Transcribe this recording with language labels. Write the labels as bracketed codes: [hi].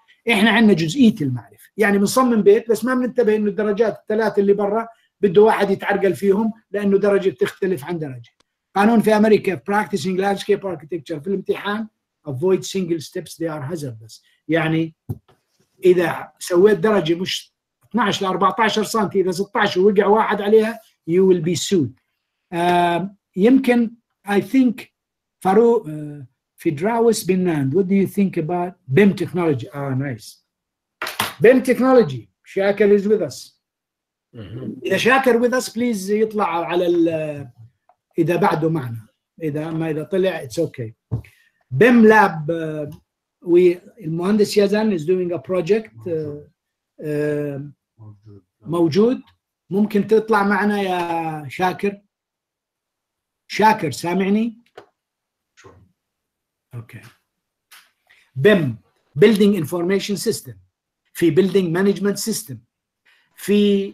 [ar] إحنا عندنا جزئية المعرفة، يعني بنصمم بيت بس ما بننتبه إنه الدرجات الثلاث اللي برا بده واحد يتعرقل فيهم لأنه درجة تختلف عن درجة. قانون في أمريكا [en] practicing landscape architecture [ar] في الامتحان [en] avoid single steps they are hazardous، [ar] يعني إذا سويت درجة مش 12 ل 14 سنتي إذا 16 وقع واحد عليها [en] you will be sued. يمكن I think فاروق فيدراوس بن ناند what do you think about BIM technology؟ آه nice BIM technology. شاكر is with us. [ar] إذا شاكر [en] with us please [ar] يطلع على ال إذا بعده معنا، إذا ما إذا طلع [en] it's okay. BIM lab المهندس يزن is doing a project [ar] موجود. ممكن تطلع معنا يا شاكر؟ شاكر سامعني؟ okay. [en] BIM building information system، في building management system، في